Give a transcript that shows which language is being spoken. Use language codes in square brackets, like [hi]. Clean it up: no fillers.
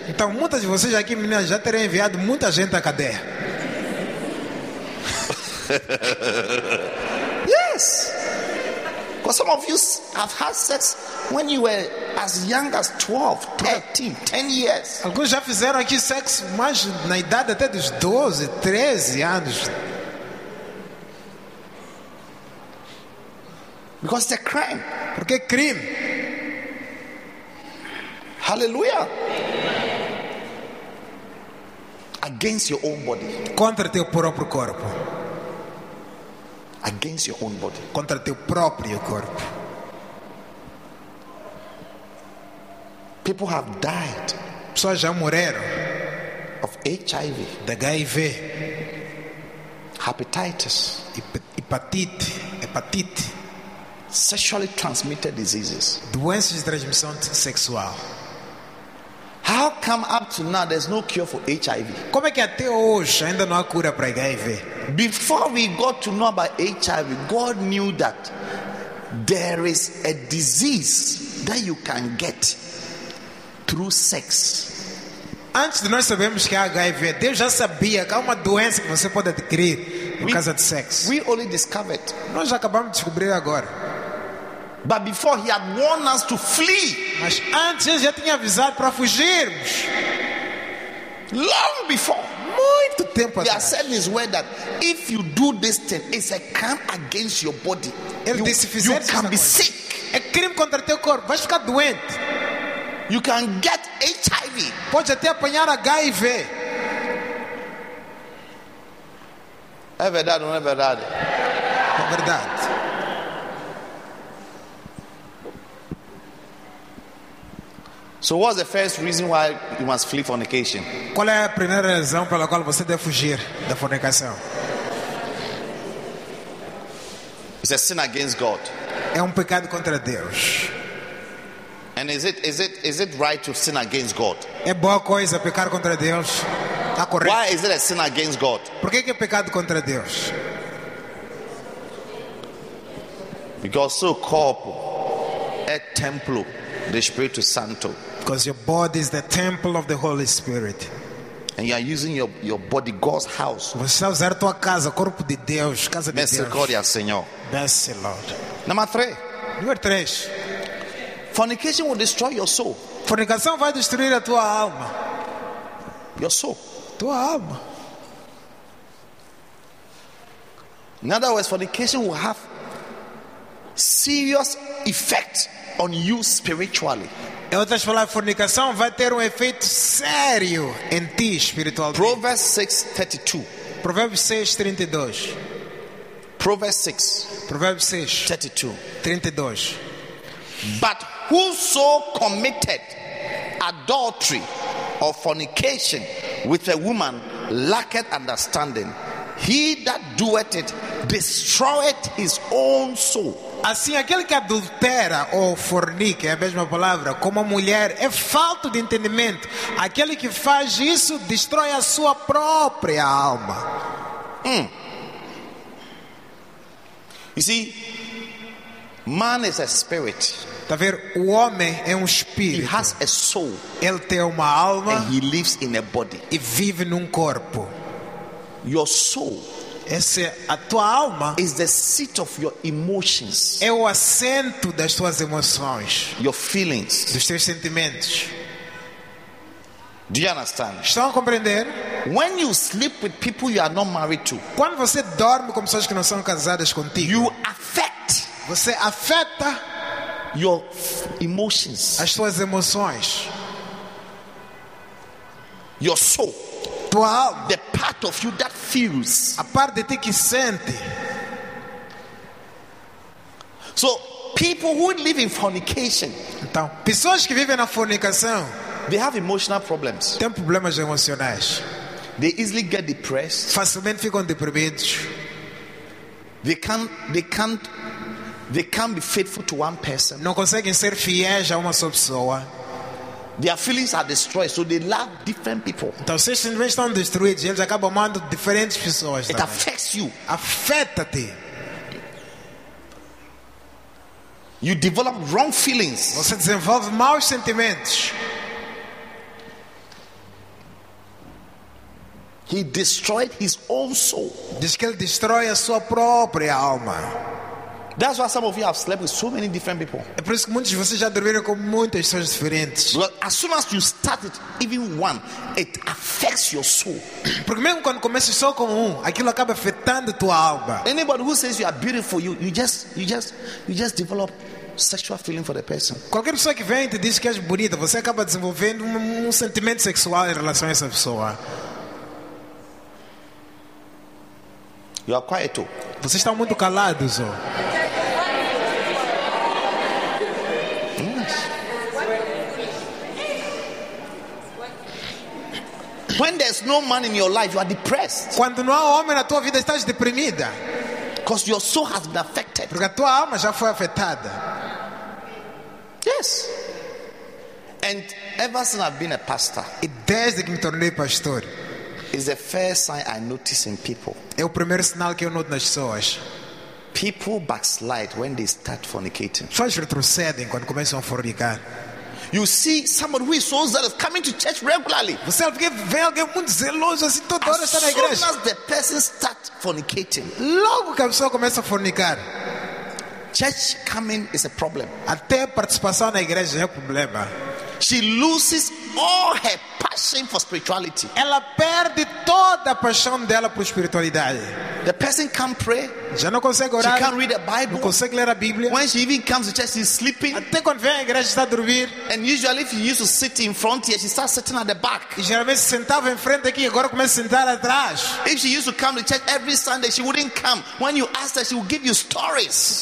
[pt] Então muitas de vocês aqui meninas já terem enviado muita gente à cadeia. [en] Yes. Because some of you have had sex when you were as young as 12, 13, 10 years. [pt] Alguns já fizeram aqui sexo mais na idade até dos 12, 13 anos. [en] Because it's a crime. [pt] Porque é crime. [en] Hallelujah. Against your own body. [pt] Contra teu próprio corpo. [en] Against your own body. [pt] Contra teu próprio corpo. [en] People have died. [pt] Pessoas já morreram. [en] Of HIV. [pt] De HIV. [en] Hepatitis. [pt] Hepatite. [en] Sexually transmitted diseases. [pt] Doenças de transmissão sexual. [en] How come up to now there's no cure for HIV? [pt] Como é que até hoje ainda não há cura para HIV? [en] Before we got to know about HIV, God knew that there is a disease that you can get through sex. [pt] Antes de nós sabermos que há HIV, Deus já sabia que há uma doença que você pode adquirir por causa de sexo. [en] We only discovered. [pt] Nós acabamos de descobrir agora. [en] But before he had warned us to flee. [pt] Mas antes já tinha avisado para fugirmos. [en] Long before. [pt] Muito tempo atrás. [en] He has said in his word that if you do this thing, it's a crime against your body. [pt] Ele disse, fizer [en] you can be sick. [pt] É crime contra teu corpo. Vai ficar doente. [en] You can get HIV. [pt] Pode até apanhar HIV. É verdade ou não é verdade? É verdade. [en] So what's the first reason why you must flee fornication? [pt] Qual é a primeira razão pela qual você deve fugir da fornicação? [en] It's a sin against God. [pt] É um pecado contra Deus. [en] And is it right to sin against God? [pt] É boa coisa pecar contra Deus? Tá correto. [en] Why is it a sin against God? [pt] Por que é pecado contra Deus? [en] Because [pt] seu corpo é templo do Espírito Santo. [en] Because your body is the temple of the Holy Spirit. And you are using your body, God's house. [pt] Você está usando a tua casa, corpo de Deus, casa de Deus. Misericórdia, Senhor. [en] Merci, Lord. Number three. [pt] Número 3. [en] Fornication will destroy your soul. [pt] Fornicação vai destruir a tua alma. [en] Your soul. [pt] Tua alma. [en] In other words, fornication will have serious effect on you spiritually. [pt] Em outras palavras, fornicação vai ter efeito sério em ti espiritualmente. [en] Proverbs 6:32. [pt] Provérbios 6:32. [en] Proverbs 6. [pt] Provérbios 6:32. 32. [en] But whoso committed adultery or fornication with a woman lacketh understanding. He that doeth it destroyeth his own soul. [pt] Assim, aquele que adultera ou fornica, é a mesma palavra, como a mulher, é falto de entendimento. Aquele que faz isso destrói a sua própria alma. [en] You see, man is a spirit. [pt] Tá ver? O homem é um espírito. [en] He has a soul. [pt] Ele tem uma alma. [en] And he lives in a body. [pt] E vive num corpo. [en] Your soul. [pt] Essa, a tua alma [en] is the seat of your emotions. [pt] É o assento das tuas emoções. [en] Your feelings. [pt] Dos teus sentimentos. [en] Do you understand? [pt] Estão a compreender? [en] When you sleep with people you are not married to, [pt] quando você dorme com pessoas que não são casadas contigo, [en] you affect, [pt] você afeta [en] your emotions, [pt] as suas emoções, [en] your soul, [pt] tua alma, [en] the part of you that feels, [pt] a parte de ti que sente. [en] So people who live in fornication, [pt] então, pessoas que vivem na fornicação, [en] they have emotional problems. [pt] Têm problemas emocionais. [en] They easily get depressed. [pt] Facilmente ficam deprimidos. [en] They can't be faithful to one person. [pt] Não conseguem ser fiéis a uma só pessoa. [en] Their feelings are destroyed, so they love different people. [pt] Então, seus sentimentos estão destruídos, eles acabam amando diferentes pessoas. [en] It affects you. [pt] Afeta-te. [en] You develop wrong feelings. [pt] Você desenvolve maus sentimentos. [en] He destroyed his own soul. [pt] Diz que ele destrói a sua própria alma. [en] That's why some of you have slept with so many different people. [pt] É por isso que muitos de vocês já dormiram com muitas pessoas diferentes. [en] Well, as soon as you start it, even one, it affects your soul. [pt] Porque mesmo quando começa só com um, aquilo acaba afetando tua alma. [en] Anybody who says you are beautiful, you just develop sexual feeling for the person. [pt] Qualquer pessoa que vem e te diz que és bonita, você acaba desenvolvendo um sentimento sexual em relação a essa pessoa. [en] You are quiet too. [pt] Vocês estão muito calados, ó. [en] When there's no man in your life, you are depressed. [pt] Quando não há homem na tua vida, estás deprimida. [en] Because your soul has been affected. [pt] Porque a tua alma já foi afetada. [en] Yes. And ever since I've been a pastor, [pt] e desde que me tornei pastor, [en] is the first sign I notice in people. [pt] É o primeiro sinal que eu noto nas pessoas. [en] People backslide when they start fornicating. [pt] Pessoas retrocedem quando começam a fornicar. [en] You see someone who is so zealous coming to church regularly. [pt] Você vê alguém muito zeloso assim toda hora está na igreja. [en] As soon as the person starts fornicating, [pt] logo que a pessoa começa a fornicar, [en] church coming is a problem. [pt] Até participação na igreja é um problema. [en] She loses all her passion for spirituality. [pt] Ela perde toda a paixão dela por espiritualidade. [en] The person can't pray. [pt] Já não consegue orar. [en] She can't read the Bible. [pt] Não consegue ler a Bíblia. [en] When she even comes to church, she's sleeping. [pt] Até quando vem à igreja está a dormir. [en] And usually, if you used to sit in front here, she starts sitting at the back. [pt] E geralmente sentava em frente aqui, agora começa a sentar atrás. [en] If she used to come to church every Sunday, she wouldn't come. When you asked her, she would give you stories.